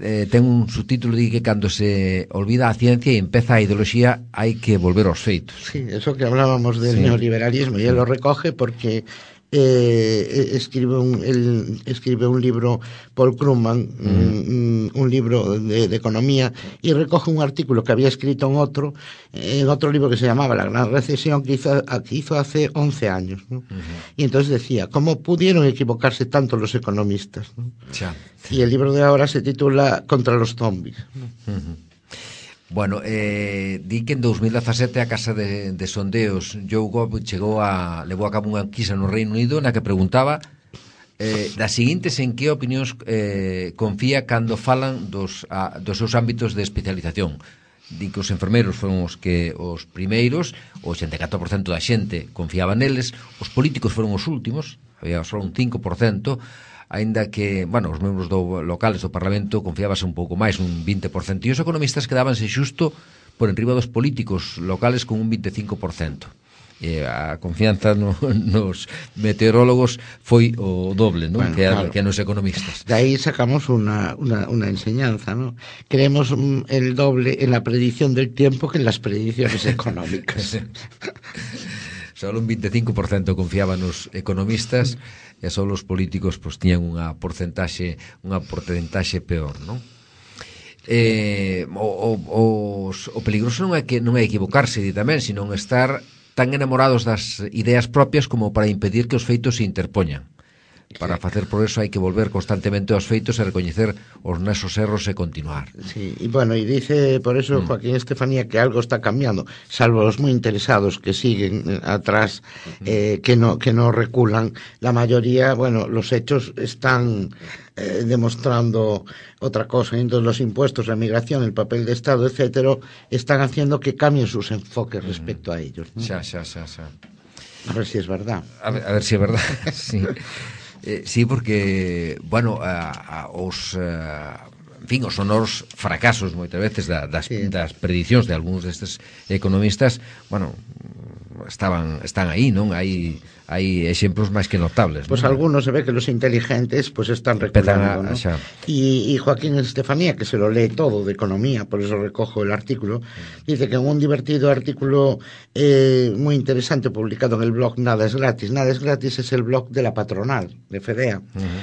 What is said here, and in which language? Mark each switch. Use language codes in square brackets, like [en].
[gl] Ten un subtítulo de que cando se olvida a ciencia e empeza a ideoloxía hai que volver aos feitos. [es] Sí, eso que hablábamos del neoliberalismo, y él lo recoge porque escribe un libro, Paul Krugman, un libro de economía, y recoge un artículo que había escrito en otro libro que se llamaba La Gran Recesión, que hizo hace 11 años, ¿no? Y entonces decía, ¿cómo pudieron equivocarse tanto los economistas? ¿No? Y el libro de ahora se titula Contra los zombies. [gl] Bueno, di que en 2017 a casa de sondeos Joe Gov levou a cabo unha enquisa no Reino Unido na que preguntaba das seguintes en que opinións confía cando falan dos seus ámbitos de especialización. Di que os enfermeiros foron os primeiros, o 84% da xente confiaba neles, os políticos foron os últimos, había só un 5%, aínda que, bueno, os membros locales do Parlamento confiábase un pouco máis, un 20%, e os economistas quedábanse xusto por enriba dos políticos locales con un 25%. E a confianza nos meteorólogos foi o doble, ¿no? que nos economistas. De aí sacamos unha enseñanza, ¿no? [es] Creemos el doble en la predición del tiempo que en las predicciones económicas. [gl] Solo un 25% confiaban nos economistas. E só os políticos pois tiñan unha porcentaxe peor, non? O peligroso non é equivocarse tamén, sino estar tan enamorados das ideas propias como para impedir que os feitos se interpoñan. Para facer por eso hai que volver constantemente aos feitos e recoñecer os nosos erros e continuar. [es] Sí, y bueno, y dice por eso Joaquín Estefanía que algo está cambiando, salvo los muy interesados que siguen atrás, que no reculan, la mayoría, bueno, los hechos están demostrando otra cosa. Entonces los impuestos, la migración, el papel de Estado, etcétera, están haciendo que cambien sus enfoques respecto a ellos, [gl] ¿no? Xa. [es] A ver si es verdad. A ver si es verdad, sí. [gl] Sí, porque, bueno, os sonoros fracasos moitas veces das predicións de algúns destes economistas, bueno, están aí, non? Hai exemplos máis que notables. [es] Pois algunos se ve que los inteligentes pues están recuperando, ¿no? Y Joaquín Estefanía, que se lo lee todo de economía, por eso recojo el artículo, dice que en un divertido artículo muy interesante publicado en el blog Nada es gratis. Nada es gratis es el blog de la patronal, de FEDEA. Uh-huh.